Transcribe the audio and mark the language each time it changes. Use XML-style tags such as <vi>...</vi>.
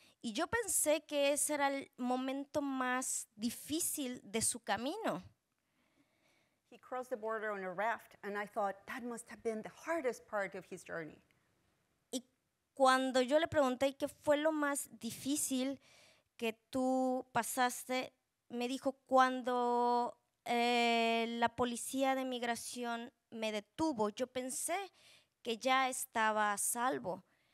<es>Y yo pensé que ese era el momento más difícil de su camino.</es> <en>He crossed the border on a raft, and I thought that must have been the hardest part of his journey.</en> <es>Y cuando yo le pregunté qué fue lo más difícil que tú pasaste, me dijo cuando la policía de migración me detuvo, yo pensé que ya estaba a salvo.</es>